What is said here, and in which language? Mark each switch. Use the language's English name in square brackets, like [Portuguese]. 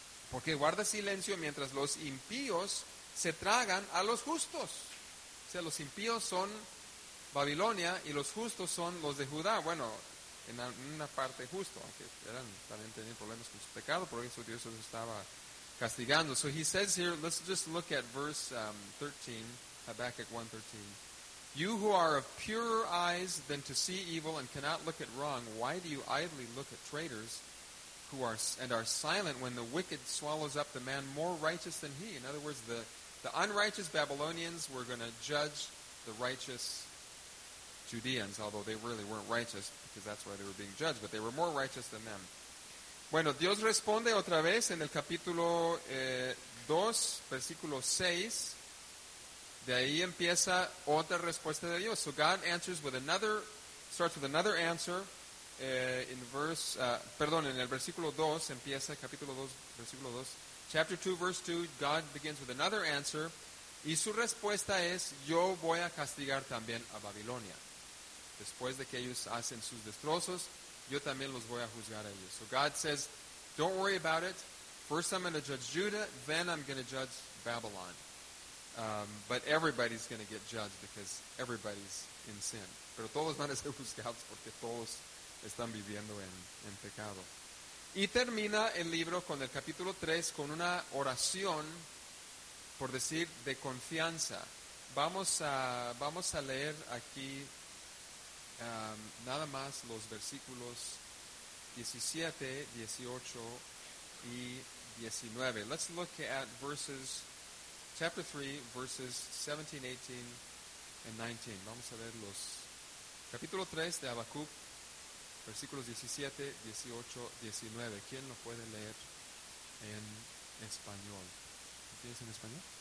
[Spanish] Porque guarda silencio mientras los impíos se tragan a los justos. O sea, los impíos son Babilonia y los justos son los de Judá. Bueno, en una parte justo, aunque eran, también tenían problemas con su pecado, por eso Dios los estaba castigando. [English] So he says here, let's just look at verse 13, Habakkuk 1:13. You who are of purer eyes than to see evil and cannot look at wrong, why do you idly look at traitors who are and are silent when the wicked swallows up the man more righteous than he? In other words, the unrighteous Babylonians were going to judge the righteous Judeans, although they really weren't righteous, because that's why they were being judged, but they were more righteous than them. [Spanish] Bueno, Dios responde otra vez en el capítulo 2, versículo 6. De ahí empieza otra respuesta de Dios. [English] So God answers with another, starts with another answer in verse, [Spanish] perdón, en el versículo 2, empieza capítulo 2, versículo 2. [English] Chapter 2, verse 2, God begins with another answer. [Spanish] Y su respuesta es, yo voy a castigar también a Babilonia. Después de que ellos hacen sus destrozos, yo también los voy a juzgar a ellos. [English] So God says, don't worry about it. First I'm going to judge Judah, then I'm going to judge Babylon. But everybody's going to get judged because everybody's in sin. [Spanish] Pero todos van a ser juzgados porque todos están viviendo en pecado. Y termina el libro con el capítulo 3 con una oración, por decir, de confianza. Vamos a leer aquí nada más los versículos 17, 18 y 19. [English] Let's look at verses, chapter 3, verses 17, 18 and 19. [Spanish] Vamos a ver los capítulo 3 de Habacuc, versículos 17, 18, 19. ¿Quién lo puede leer en español? ¿Lo tienes en español?